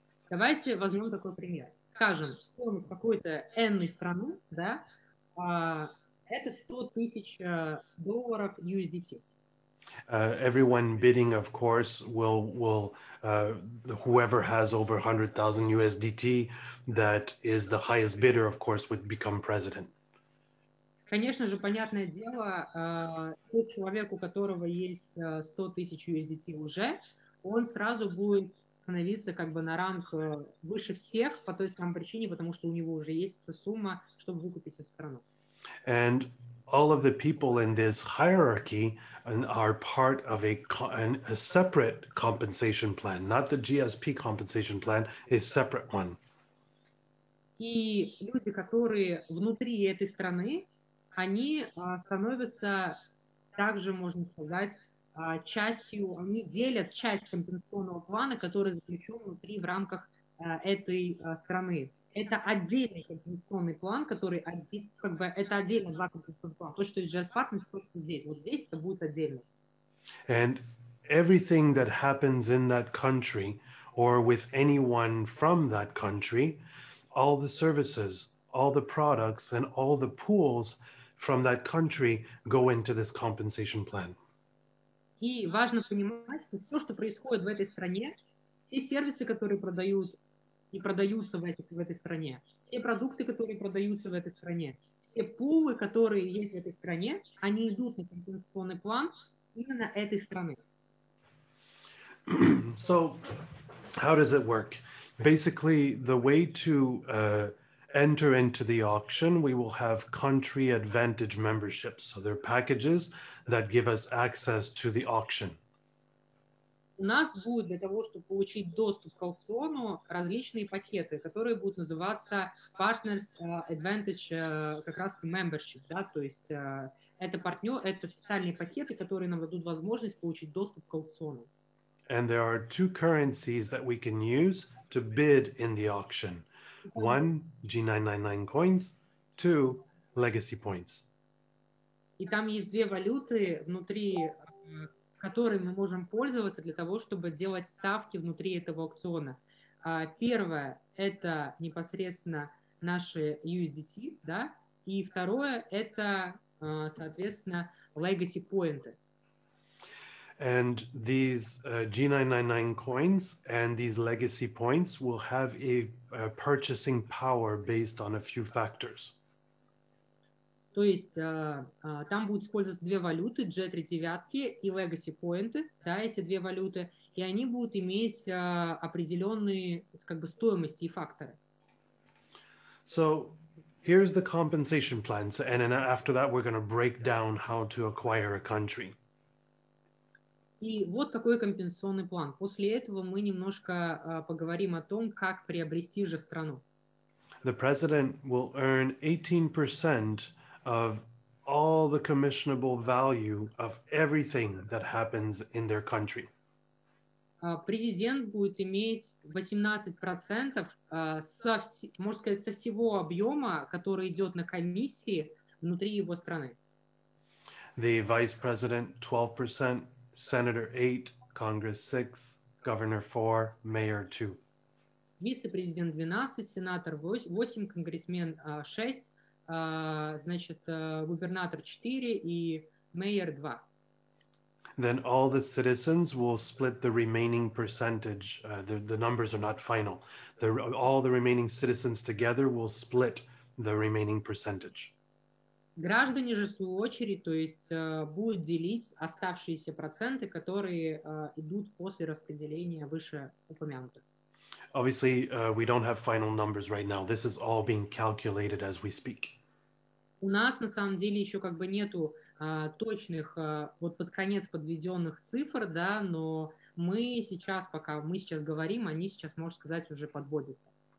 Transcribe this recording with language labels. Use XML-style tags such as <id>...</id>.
<ru>Давайте возьмем такой пример. Скажем, стоимость какой-то энной страны, да, это $100,000 USDT.</ru> <en>Everyone bidding, of course, will whoever has over $100,000 USDT, that is the highest bidder, of course, would become president.</en> <ru>Конечно же, понятное дело, тот человек, у которого есть 100 тысяч USDT уже, он сразу будет становиться как бы на ранг выше всех по той самой причине, потому что у него уже есть эта сумма, чтобы выкупить эту страну.</ru> <en>And all of the people in this hierarchy are part of a separate compensation plan, not the GSP compensation plan, a separate one.</en> <ru>И люди, которые внутри этой страны, они становятся также, можно сказать, частью, они делят часть компенсационного плана, который заключен внутри в рамках этой страны. Это отдельный компенсационный план, который один, как бы это отдельно два компенсационных плана. То, что есть GS Partners, то, что здесь. Вот здесь это будет отдельно.</ru> <en>And everything that happens in that country or with anyone from that country, all the services, all the products and all the pools from that country go into this compensation plan.</en> <ru>И важно понимать, что все, что происходит в этой стране, все сервисы, которые продают и продаются в этой стране, все продукты, которые продаются в этой стране, все пулы, которые есть в этой стране, они идут на компенсационный план именно этой страны.</ru> <en>So, how does it work? Basically, the way to enter into the auction, we will have country advantage memberships. So they're packages that give us access to the auction.</en> <ru>У нас будет для того, чтобы получить доступ к аукциону, различные пакеты, которые будут называться Partners Advantage как раз membership, да, то есть это партнер, это специальные пакеты, которые нам дадут возможность получить доступ к аукциону.</ru> <en>And there are two currencies that we can use to bid in the auction. One, G999 coins, two, legacy points.</en> <ru>И там есть две валюты внутри, которые мы можем пользоваться для того, чтобы делать ставки внутри этого аукциона. Первое — это непосредственно наши USDT, да? И второе — это, соответственно, legacy points.</ru> <en>And these G999 coins and these legacy points will have a purchasing power based on a few factors.</en> <ru>То есть там будут использоваться две валюты, G39 и legacy points, да, эти две валюты, и они будут иметь определенные как бы стоимости и факторы.</ru> <en>So here's the compensation plans, and then after that we're going to break down how to acquire a country.</en> <ru>И вот какой компенсационный план. После этого мы немножко поговорим о том, как приобрести же страну.</ru> <en>The president will earn 18% of all the commissionable value of everything that happens in their country.</en> <ru>Президент будет иметь 18% можно сказать, со всего объема, который идет на комиссии внутри его страны.</ru> <en>The vice president 12%. Senator 8, Congress 6, Governor 4, Mayor 2.</en> <ru>Вице-президент 12, сенатор 8, конгрессмен 6, значит, губернатор 4 и мэр 2.</ru> <en>Then all the citizens will split the remaining percentage. The numbers are not final. All the remaining citizens together will split the remaining percentage.</en> <ru>Граждане же, в свою очередь, то есть будут делить оставшиеся проценты, которые идут после распределения выше упомянутых.</ru> <en>Obviously, we don't have final numbers right now. This is all being calculated as we speak.</en> <ru>У нас, на самом деле, еще как бы нету точных, вот под конец подведенных цифр, да, но мы сейчас, пока мы сейчас говорим, они сейчас, можно сказать, уже подводятся.</ru>